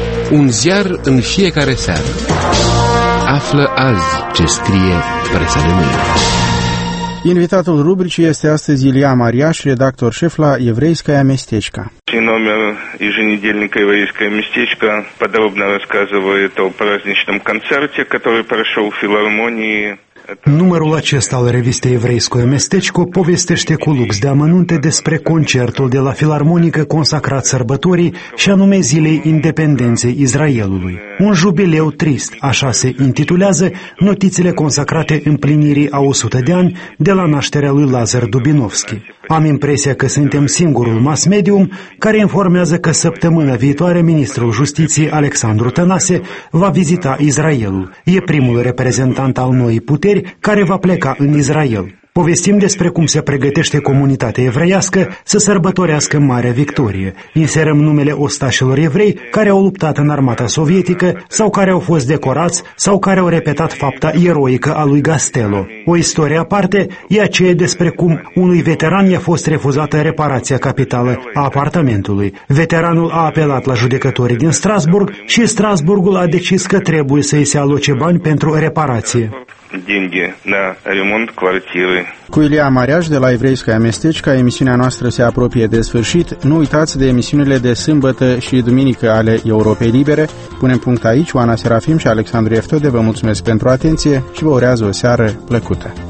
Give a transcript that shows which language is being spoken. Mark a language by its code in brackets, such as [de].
[ro] Un ziar în fiecare seară. Află azi ce scrie presa de mâine. Invitatul rubricii este astăzi Ilia Mariaș, redactor șef la Evreiskaya Mestechka. [ru] În номер еженедельника Еврейское местечко подробно рассказывает о праздничном концерте, который прошел в филармонии. [ro] Numărul acesta al revistei Evreiskaya Mestechko povestește cu lux de amănunte despre concertul de la filarmonică consacrat sărbătorii și anume zilei independenței Israelului. Un jubileu trist, așa se intitulează notițele consacrate împlinirii a 100 de ani de la nașterea lui Lazar Dubinovski. Am impresia că suntem singurul mass medium care informează că săptămâna viitoare ministrul justiției Alexandru Tănase va vizita Israelul. E primul reprezentant al noii puteri care va pleca în Israel. Povestim despre cum se pregătește comunitatea evreiască să sărbătorească Marea Victorie. Inserăm numele ostașilor evrei care au luptat în armata sovietică sau care au fost decorați sau care au repetat fapta eroică a lui Gastello. O istorie aparte e aceea despre cum unui veteran i-a fost refuzată reparația capitală a apartamentului. Veteranul a apelat la judecătorii din Strasburg și Strasburgul a decis că trebuie să-i se aloce bani pentru reparație. [ru] Деньги на ремонт квартиры. [ro] Cu Ilia Mariaș de la Evreiskaya Mestechka, emisiunea noastră se apropie de sfârșit. Nu uitați de emisiunile de sâmbătă și duminică ale Europei Libere. Punem punct aici. Oana Serafim și Alexandru Eftode vă mulțumesc pentru atenție și vă urează o seară plăcută.